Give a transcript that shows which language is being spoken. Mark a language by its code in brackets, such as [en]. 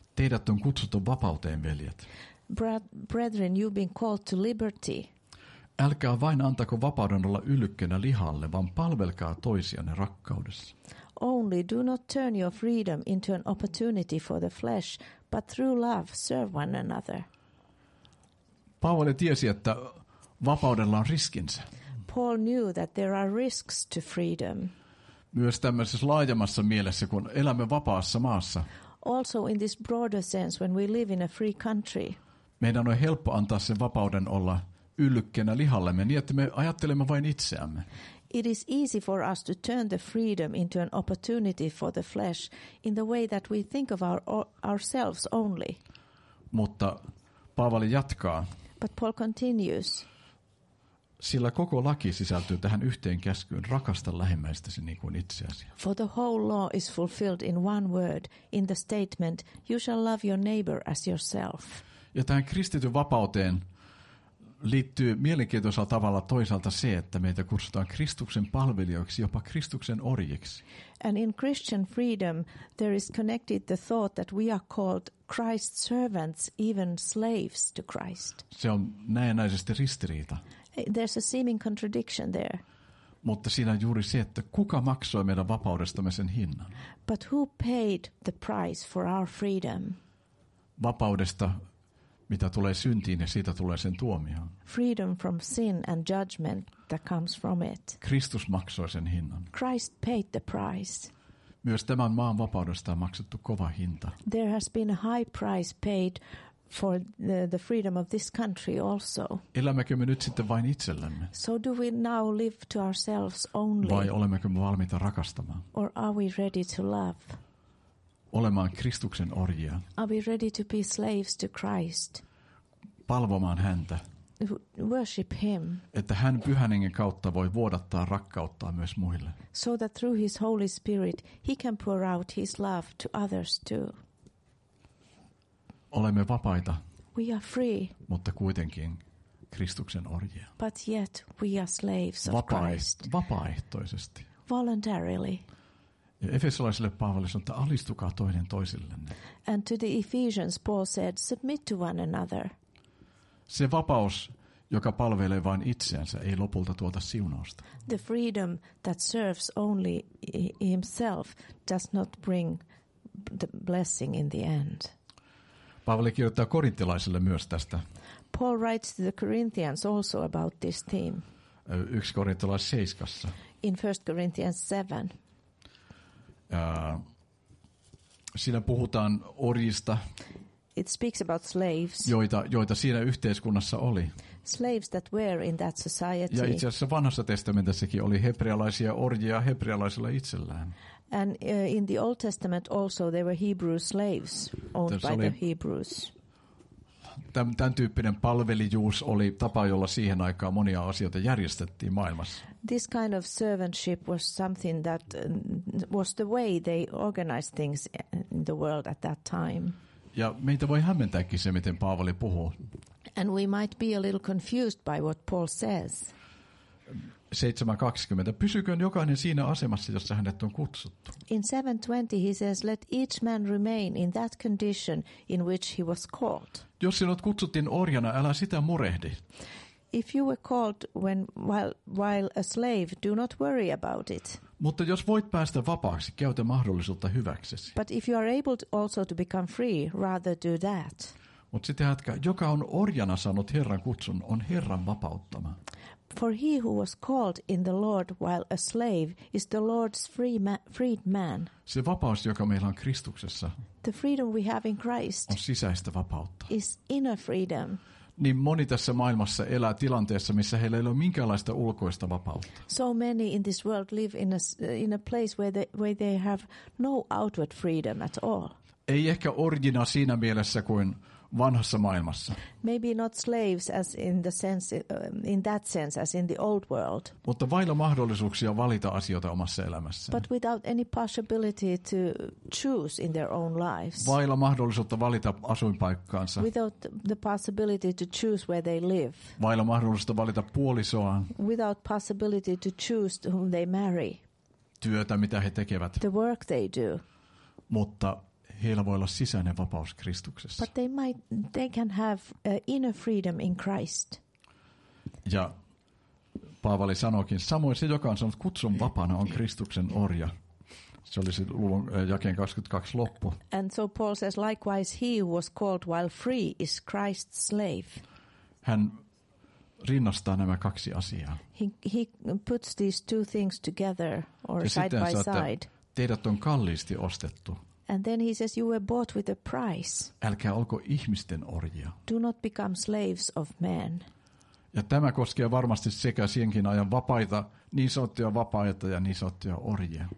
[fi] Teidät on kutsuttu vapauteen, veljet. [en] Brethren, you've been called to liberty. [fi] Älkää vain antako vapauden olla yllykkönä lihalle, vaan palvelkaa toisianne rakkaudessa. [en] Only do not turn your freedom into an opportunity for the flesh, but through love serve one another. [fi] Paavali tiesi, että vapaudella on riskinsä. [en] Paul knew that there are risks to freedom. [fi] Myös tämmöisessä laajemmassa mielessä, kun elämme vapaassa maassa. [en] Also in this broader sense, when we live in a free country. [fi] Meidän on helppo antaa sen vapauden olla yllykkeenä lihallemme, niin että me ajattelemme vain itseämme. [en] It is easy for us to turn the freedom into an opportunity for the flesh in the way that we think of ourselves only. [fi] Mutta Paavali jatkaa. [en] But Paul continues. [fi] Sillä koko laki sisältyy tähän yhteen käskyyn, rakasta lähimmäistäsi niin kuin itseäsi. [en] For the whole law is fulfilled in one word, in the statement, you shall love your neighbor as yourself. [fi] Ja tähän kristityn vapauteen liittyy mielenkiintoisella tavalla toisaalta se, että meitä kutsutaan Kristuksen palvelijoiksi, jopa Kristuksen orjiksi. [en] And in Christian freedom there is connected the thought that we are called Christ's servants, even slaves to Christ. [fi] Se on näennäisesti ristiriita. [en] There's a seeming contradiction there. [fi] Mutta siinä on juuri se, että kuka maksoi meidän vapaudestamme sen hinnan? [en] But who paid the price for our freedom? [fi] Vapaudesta, mitä tulee syntiin, ja siitä tulee sen tuomio. [en] Freedom from sin and judgment that comes from it. [fi] Kristus maksoi sen hinnan. [en] Christ paid the price. [fi] Myös tämän maan vapaudesta on maksettu kova hinta. [en] There has been a high price paid for the freedom of this country also. [fi] Elämmekö me nyt sitten vain itsellemme? [en] So do we now live to ourselves only? [fi] Vai olemmekö me valmiita rakastamaan? [en] Or are we ready to love? [fi] Olemaan Kristuksen orjia. [en] Are we ready to be slaves to Christ? [fi] Palvomaan häntä. [en] Worship him. [fi] Että hän Pyhän Hengen kautta voi vuodattaa rakkauttaa myös muille. [en] So that through his Holy Spirit he can pour out his love to others too. [fi] Olemme vapaita. [en] We are free. [fi] Mutta kuitenkin Kristuksen orjia. [en] But yet we are slaves of Christ. [fi] Vapaaehtoisesti. [en] Voluntarily. [fi] Ja efesolaisille Paavali sanoi, että alistukaa toinen toisillenne. [en] And to the Ephesians Paul said, submit to one another. [fi] Se vapaus, joka palvelee vain itseänsä, ei lopulta tuota siunausta. [en] The freedom that serves only himself does not bring the blessing in the end. [fi] Paavali kirjoittaa korintilaisille myös tästä. [en] Paul writes to the Corinthians also about this theme. [fi] 1 Korintilais 7. [en] In 1 Corinthians 7. [fi] Siinä puhutaan orjista, [en] it speaks about slaves, [fi] joita siinä yhteiskunnassa oli. [en] Slaves that were in that society. [fi] Ja itse asiassa vanhassa testamentissakin oli hebrealaisia orjia hebrealaisilla itsellään. [en] And in the Old Testament also there were Hebrew slaves owned by the Hebrews. [fi] Tämän tyyppinen palvelijuus oli tapa, jolla siihen aikaan monia asioita järjestettiin maailmassa. [en] This kind of servantship was something that was the way they organized things in the world at that time. [fi] Ja meitä voi hämmentääkin se, miten Paavali puhuu. [en] And we might be a little confused by what Paul says. [fi] 7:20. Pysyköön jokainen siinä asemassa, jossa hänet on kutsuttu. [en] In 7:20 he says, let each man remain in that condition in which he was called. [fi] Jos sinut kutsuttiin orjana, älä sitä murehdi. [en] If you were called while a slave, do not worry about it. [fi] Mutta jos voit päästä vapaaksi, käytä mahdollisuutta hyväksesi. [en] But if you are able also to become free, rather do that. [fi] Mut sitten jatkaa, joka on orjana saanut Herran kutsun, on Herran vapauttama. [en] For he who was called in the Lord while a slave is the Lord's freed man. [fi] Se vapaus, joka meillä on Kristuksessa. [en] The freedom we have in Christ. [fi] On sisäistä vapautta. [en] Is inner freedom. [fi] Niin moni tässä maailmassa elää tilanteessa, missä heillä ei ole minkäänlaista ulkoista vapautta. [en] So many in this world live in a place where they have no outward freedom at all. [fi] Ei ehkä orjina siinä mielessä kuin vanhassa maailmassa. [en] Maybe not slaves as in the sense in that sense as in the old world. [fi] Mutta vailla mahdollisuuksia valita asioita omassa elämässä. [en] But without any possibility to choose in their own lives. [fi] Vailla mahdollisuutta valita asuinpaikkaansa. [en] Without the possibility to choose where they live. [fi] Vailla mahdollisuutta valita puolisoaan. [en] Without possibility to choose to whom they marry. [fi] Työtä mitä he tekevät. [en] The work they do. [fi] Mutta heillä voi olla sisäinen vapaus Kristuksessa. [en] But they can have inner freedom in Christ. [fi] Ja Paavali sanoikin, samoin se, joka on sanonut kutsun vapaana, on Kristuksen orja. Se oli luvun jakeen 22 loppu. [en] And so Paul says, likewise he who was called while free is Christ's slave. [fi] Hän rinnastaa nämä kaksi asiaa. [en] He puts these two things together or [fi] ja [en] side by side. [fi] Teidät on kalliisti ostettu. [en] And then he says, you were bought with a price. [fi] Älkää olko ihmisten orjia. [en] Do not become slaves of men. [fi] Ja tämä koskee varmasti sekä siihenkin ajan vapaita, niin sanottuja vapaita ja niin sanottuja orjia.